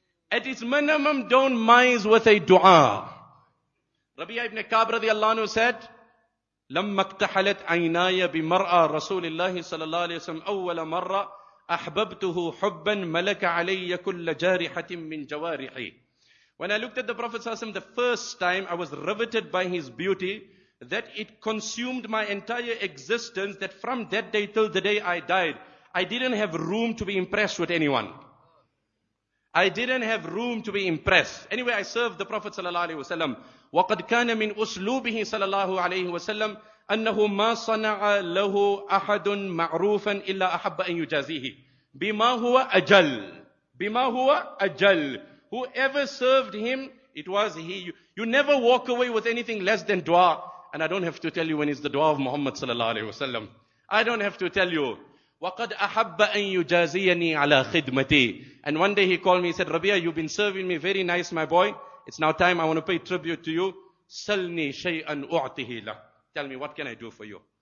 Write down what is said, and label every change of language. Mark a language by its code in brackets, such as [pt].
[en] At its minimum, don't mize with a dua. Rabi'ah ibn Ka'b radiallahu anhu said, [ar] لَمَّا اكْتَحَلَتْ عَيْنَايَ بِمَرْأَى رَسُولِ اللَّهِ صَلَى اللَّهِ عَلَيْهِ وَسَلَّمَ أَوَّلَ مَرَّةٍ أَحْبَبْتُهُ حُبًّا مَلَكَ عَلَيَّ كُلَّ جَارِحَةٍ مِّن جَوَارِحِي [en] When I looked at the Prophet ﷺ the first time, I was riveted by his beauty, that it consumed my entire existence, that from that day till the day I died, I didn't have room to be impressed with anyone. I didn't have room to be impressed. Anyway, I served the Prophet sallallahu alaihi wasallam. [ar] وَقَدْ كَانَ مِنْ أُسْلُوبِهِ صَلَّى اللَّهُ عَلَيْهِ وَسَلَّمَ أَنَّهُ مَا صَنَعَ لَهُ أَحَدٌ مَعْرُوفًا إِلَّا أَحَبَّ أَنْ يُجَازِيهِ بِمَا هُوَ أَجَلْ بِمَا هُوَ أَجَلْ [en] Whoever served him, it was he. You never walk away with anything less than dua. And I don't have to tell you when is the dua of Muhammad sallallahu alaihi wasallam. I don't have to tell you. [ar] وَقَدْ أَحَبَّ أَنْ يُجَازِيَنِي عَلَىٰ خِدْمَتِي [en] And one day he called me, he said, Rabia, you've been serving me very nice, my boy. It's now time I want to pay tribute to you. [ar] سَلْنِي شَيْئًا أُعْطِهِ لَهُ [en] Tell me, what can I do for you?